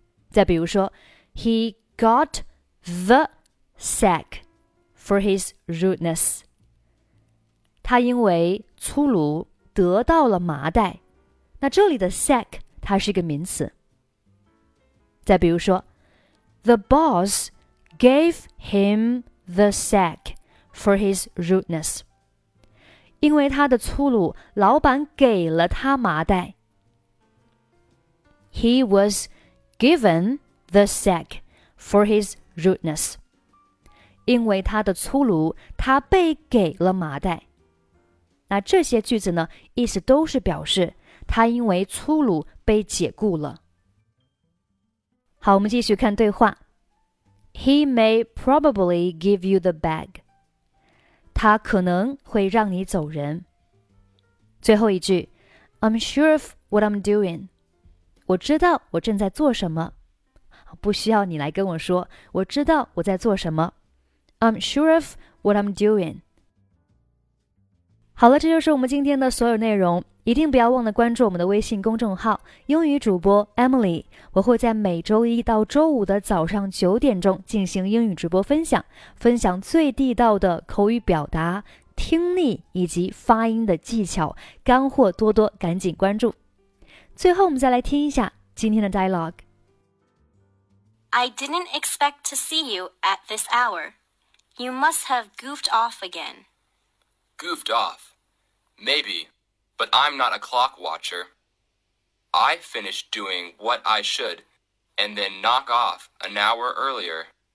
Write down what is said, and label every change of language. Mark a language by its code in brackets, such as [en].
[zh] 再比如说 [en] He got the sack for his rudeness。 [zh] 他因为粗鲁得到了麻袋。那这里的 sack 它是一个名词。再比如说 [en] The boss gave him the sack for his rudeness。 [zh] 因为他的粗鲁，老板给了他麻袋。 [en] He was given the sack for his rudeness. [zh] 因为他的粗鲁，他被给了麻袋。那这些句子呢，意思都是表示他因为粗鲁被解雇了。好，我们继续看对话。 [en] He may probably give you the bag. [zh] 他可能会让你走人。最后一句 [en] I'm sure of what I'm doing. [zh] 我知道我正在做什么。不需要你来跟我说我知道我在做什么。 [en] I'm sure of what I'm doing. [zh] 好了，这就是我们今天的所有内容。一定不要忘了关注我们的微信公众号英语主播 Emily。我会在每周一到周五的早上9点进行英语直播分享，分享最地道的口语表达、听力以及发音的技巧，干货多多，赶紧关注。最后我们再来听一下今天的 dialogue。 [en] I didn't expect to see you at this hour. You must have goofed off again. Goofed off? Maybe. But I'm not a clock watcher. I finish doing what I should, and then knock off an hour earlier.